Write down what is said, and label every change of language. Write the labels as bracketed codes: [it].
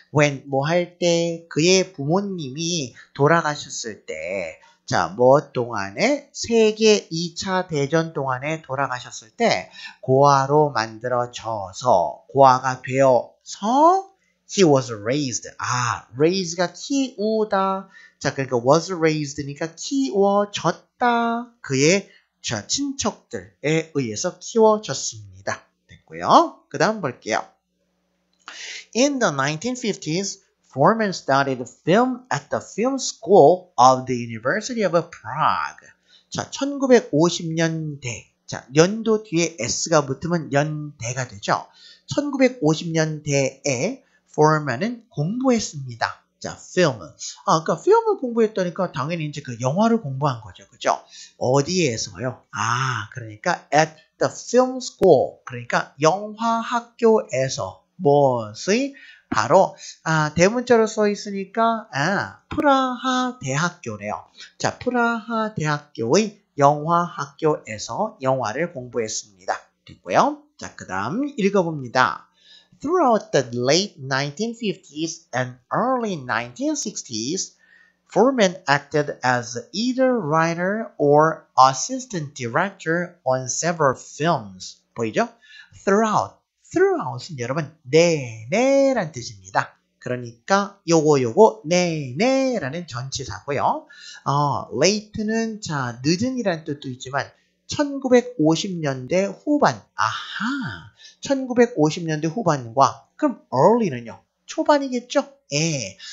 [en] When [ko] 뭐 할 때 그의 부모님이 돌아가셨을 때, 자, 뭐 동안에 세계 2차 대전 동안에 돌아가셨을 때 고아로 만들어져서 고아가 되어서 [en] he was raised. [ko] 아, raised가 키우다. 자, 그러니까 was raised니까 키워졌다. 그의 자, 친척들에 의해서 키워졌습니다. 됐고요. 그 다음 볼게요. [en] In the 1950s, Foreman studied film at the film school of the University of Prague. [ko] 자, 1950년대. 자, 연도 뒤에 S가 붙으면 연대가 되죠. 1950년대에 Foreman은 공부했습니다. 자, film. 아, 그러니까 film을 공부했다니까 당연히 이제 그 영화를 공부한 거죠. 그죠? 어디에서요? 아, 그러니까 [en] at the film school. [ko] 그러니까 영화 학교에서 무엇의 바로 아, 대문자로 써 있으니까 아, 프라하 대학교래요. 자, 프라하 대학교의 영화 학교에서 영화를 공부했습니다. 됐고요. 자, 그다음 읽어 봅니다. [en] Throughout the late 1950s and early 1960s, Foreman acted as either writer or assistant director on several films. [ko] 보이죠? Throughout 여러분, 내내란 뜻입니다. 그러니까 요거 요거 네네라는 전치사고요. 레이트는 자 늦은이라는 뜻도 있지만 1950년대 후반. 아하. 1950년대 후반과 그럼 early는요? 초반이겠죠? 예.